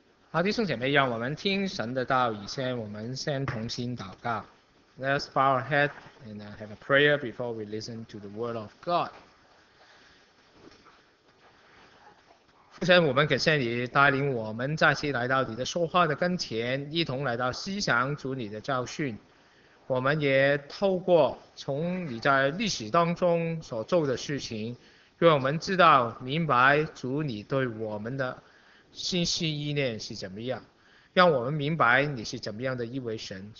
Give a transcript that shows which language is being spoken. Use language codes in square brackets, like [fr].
[zh] 好的，弟兄姐妹，让我们听神的道。以前我们先同心祷告。 [en] Let us bow our head and have a prayer before we listen to the word of God。 [zh] 父神，我们感谢你带领我们再次来到你的说话的跟前，一同来到思想主你的教训。我们也透过从你在历史当中所做的事情，让我们知道明白主你对我们的心思意念是怎么样，让我们明白你是怎么样的一位神。